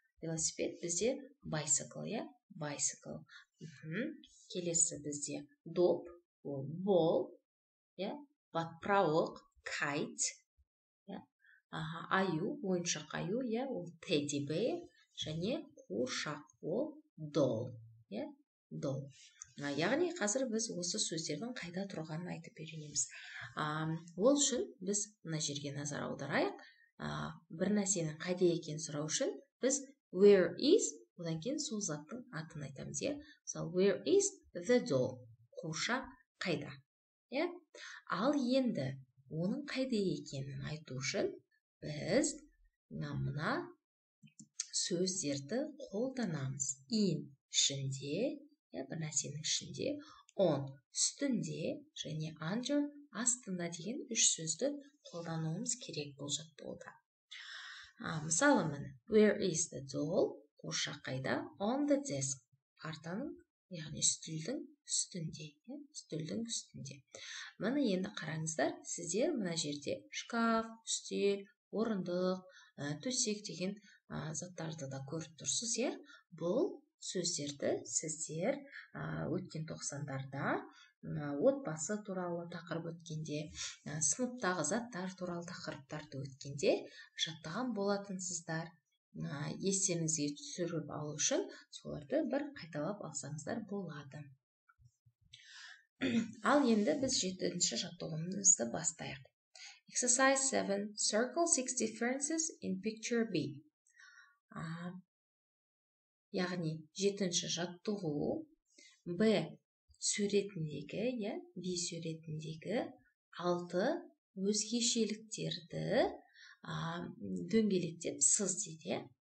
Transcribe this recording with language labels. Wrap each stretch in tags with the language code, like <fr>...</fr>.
<kk>Велосипед бізде</kk> <en>bicycle, bicycle.</en> <kk>Келесі бізде доп, ол бол, батпырауық, кайт, аю, ойыншық аю, ол теди бей, және қуыршақ, ол дол, дол. Яғни қазір біз осы сөздердің қайда тұрғанын айтып үйренеміз. Ол үшін біз мына жерге назар аударайық. Бір нәрсенің қайда екенін сұрау үшін біз</kk> <en>where is,</en> <kk>одан кейін сол заттың атын айтамыз.</kk> <en>Мысалы, where is the doll?</en> <kk>Қуыршақ қайда? Ал енді оның қайда екенін айту үшін біз мына сөздерді қолданамыз. In ішінде, бір нәрсенің ішінде, on үстінде, және under астында деген үш сөзді қолдануымыз керек бұл жаттығуда.</kk> <en>Мысалы, where is the doll?</en> <kk>Қуыршақ қайда?</kk> <en>On the desk.</en> <kk>Партаның, яғни үстілдің үстінде. Мұны енді қараңыздар, сіздер мұна жерде шкаф, үстел, орындық, төсек деген заттарды да көріп тұрсыз. Бұл сөздерді сіздер өткен 90-дарда отбасы туралы тақырып өткенде, сыныптағы заттар туралы тақырыптарды өткенде жаттаған болатынсыздар. Естеріңізге түсіріп алу үшін соларды бір қайталап алсаңыздар болады. Ал енді біз 7-ші жаттығуымызды бастайық.</kk> <en>Exercise 7. Circle 6 differences in picture B.</en> <kk>Яғни 7-ші жаттығу B сүретіндегі, B сүретіндегі 6 өзгешеліктерді дөңгелектеп сыз дейді.</kk>